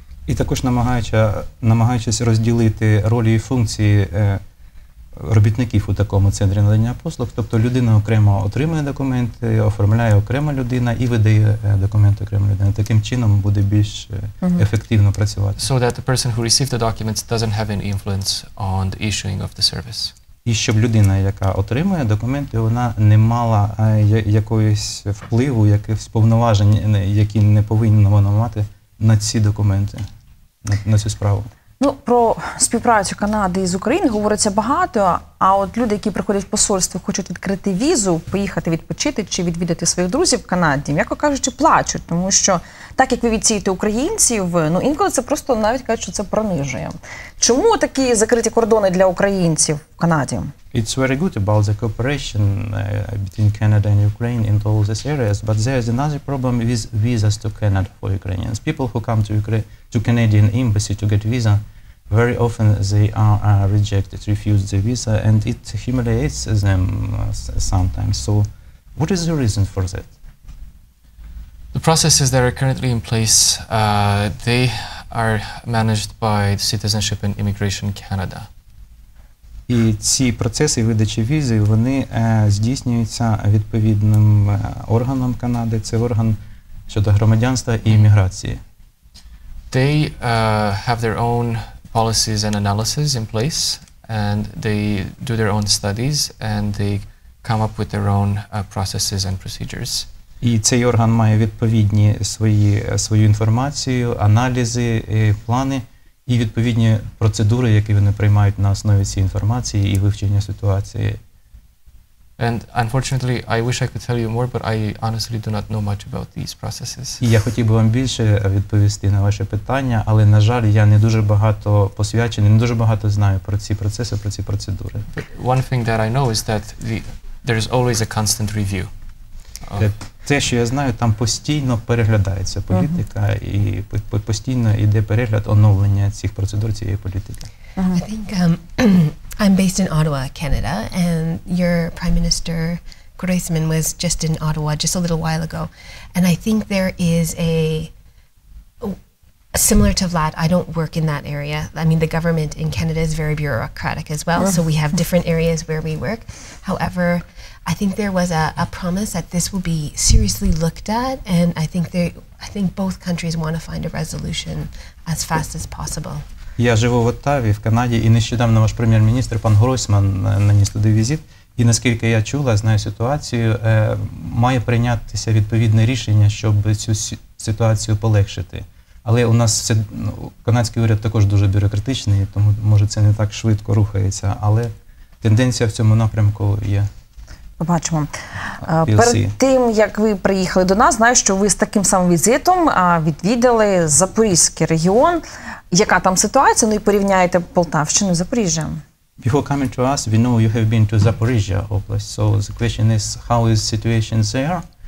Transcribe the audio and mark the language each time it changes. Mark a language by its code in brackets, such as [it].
[uk] І також намагаючись розділити ролі і функції робітників у такому центрі надання послуг, тобто людина окремо отримує документи, оформляє окрема людина і видає документи окрема людина. Таким чином буде більш ефективно працювати. [en] So that the person who received the documents doesn't have any influence on the issuing of the service. [uk] І щоб людина, яка отримує документи, вона не мала якоїсь впливу, якихось повноважень, які не повинна вона мати на ці документи, на цю справу. Ну, про співпрацю Канади із Україною говориться багато, а от люди, які приходять в посольство, хочуть відкрити візу, поїхати відпочити чи відвідати своїх друзів в Канаді, м'яко кажучи, плачуть, тому що так, як ви відсієте українців, ну, інколи це просто навіть кажуть, що це принижує. Чому такі закриті кордони для українців в Канаді? [en] It's very good about the cooperation between Canada and Ukraine in all these areas, but there is another problem with visas to Canada for Ukrainians. People who come to Canadian embassy to get visa, very often they are rejected, refused the visa, and it humiliates them sometimes. So what is the reason for that? The processes that are currently in place, they are managed by Citizenship and Immigration Canada. [uk] І ці процеси видачі візи, вони здійснюються відповідним органом Канади. Це орган щодо громадянства і імміграції. [en] They have their own policies and analysis in place, and they do their own studies, and they come up with their own processes and procedures. [uk] І цей орган має відповідні свою інформацію, аналізи, плани і відповідні процедури, які вони приймають на основі цієї інформації і вивчення ситуації. [en] And unfortunately, I wish I could tell you more, but I honestly do not know much about these processes. [uk] Я хотів би вам більше відповісти на ваше питання, але, на жаль, я не дуже багато посвячений, не дуже багато знаю про ці процеси, про ці процедури. [en] But one thing that I know is that there is always a constant review. [uk] Те, що я знаю, там постійно переглядається політика, і постійно йде перегляд оновлення цих процедур цієї політики. [en] I think I'm based in Ottawa, Canada, and your Prime Minister Grossman was just in Ottawa just a little while ago. And I think there is a similar to Vlad, I don't work in that area. I mean, the government in Canada is very bureaucratic as well, so we have different areas where we work. However, I think there was a promise that this will be seriously looked at, and I think both countries want to find a resolution as fast as possible. [uk] Я живу в Оттаві, в Канаді, і нещодавно ваш прем'єр-міністр пан Гройсман наніс туди візит. І наскільки я чула, знаю ситуацію, має прийнятися відповідне рішення, щоб цю ситуацію полегшити. Але у нас все, канадський уряд також дуже бюрократичний, тому, може, це не так швидко рухається, але тенденція в цьому напрямку є. Побачимо. Перед тим, як ви приїхали до нас, знаю, що ви з таким самим візитом відвідали Запорізький регіон. Яка там ситуація? Ну і порівняєте Полтавщину з Запоріжжям. [en] Before coming to us, we know you have been to Zaporizhia область. So the question is, how is the situation there?